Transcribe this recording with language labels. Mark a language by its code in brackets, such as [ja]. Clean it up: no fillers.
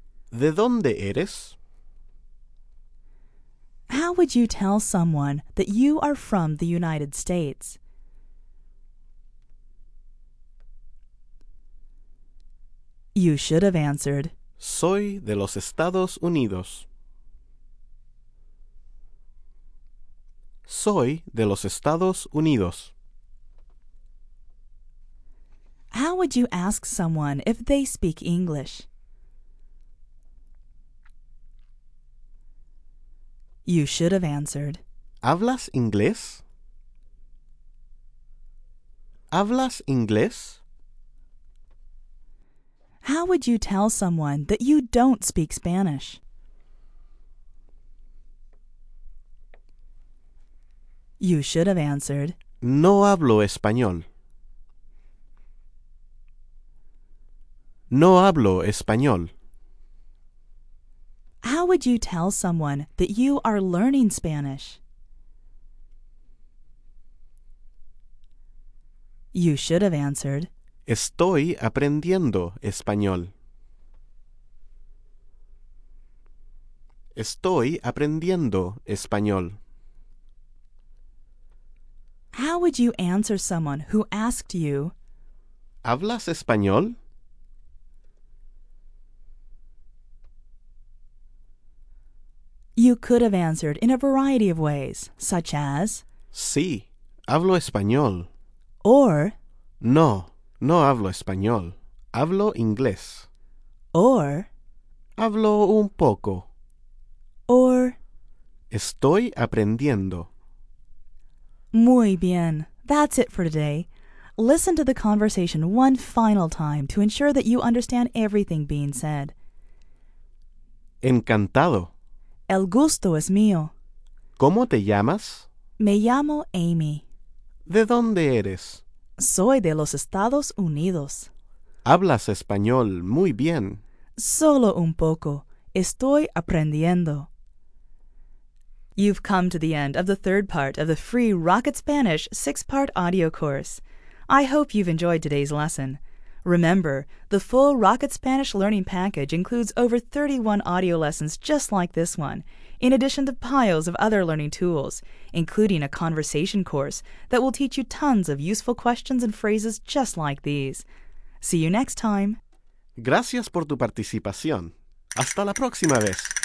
[es] ¿De dónde eres? [en] How would you tell someone that you are from the United States? You should have answered, [es] soy de los Estados Unidos. Soy de los Estados Unidos. [en] How would you ask someone if they speak English? You should have answered, [es] ¿hablas inglés? ¿Hablas inglés? [en] How would you tell someone that you don't speak Spanish? You should have answered, [es] no hablo español. No hablo español. [en] How would you tell someone that you are learning Spanish? You should have answered, [es] Estoy aprendiendo español. Estoy aprendiendo español. [en] How would you answer someone who asked you, [es] ¿Hablas español? [en] You could have answered in a variety of ways, such as, [es] Sí, hablo español. [en] Or, [es] No, no hablo español. Hablo inglés. [en] Or, [es] Hablo un poco. [en] Or, [es] Estoy aprendiendo. Muy bien. [en] That's it for today. Listen to the conversation one final time to ensure that you understand everything being said. [es] Encantado. El gusto es mío. ¿Cómo te llamas? Me llamo Amy. ¿De dónde eres? Soy de los Estados Unidos. Hablas español muy bien. Solo un poco. Estoy aprendiendo. [en] You've come to the end of the third part of the free Rocket Spanish 6-part audio course. I hope you've enjoyed today's lesson. Remember, the full Rocket Spanish learning package includes over 31 audio lessons just like this one, in addition to piles of other learning tools, including a conversation course that will teach you tons of useful questions and phrases just like these. See you next time. [es] Gracias por tu participación. Hasta la próxima vez.